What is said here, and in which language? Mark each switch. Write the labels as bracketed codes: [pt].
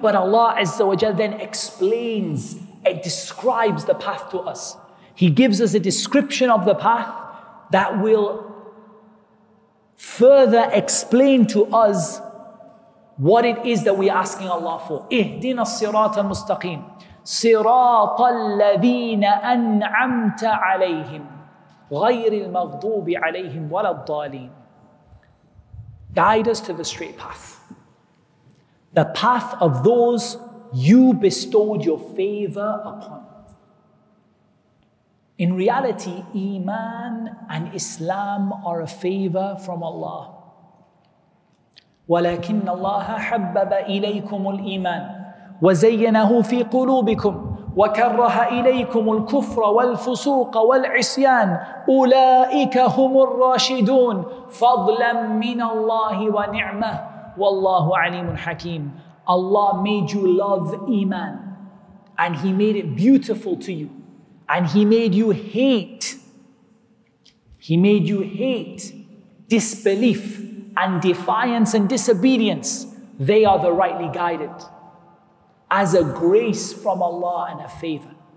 [en] But Allah Azza wa Jal then explains, it describes the path to us. He gives us a description of the path that will further explain to us what it is that we're asking Allah for. [ar] اِهْدِنَا الصِّرَاطَ الْمُسْتَقِيمِ. صراط الذين أنعمت عليهم غير المغضوب عليهم ولا الضالين. [en] Guide us to the straight path. The path of those you bestowed your favor upon. In reality, Iman and Islam are a favor from Allah. [ar] ولكن الله حبب إليكم الإيمان وزينه في قلوبكم وكره إليكم الكفر والفسوق والعصيان أولئك هم الراشدون فضلا من الله ونعمة والله عليم حكيم. [en] Allah made you love Iman, and He made it beautiful to you, and He made you hate. He made you hate disbelief and defiance and disobedience. They are the rightly guided. As a grace from Allah and a favor.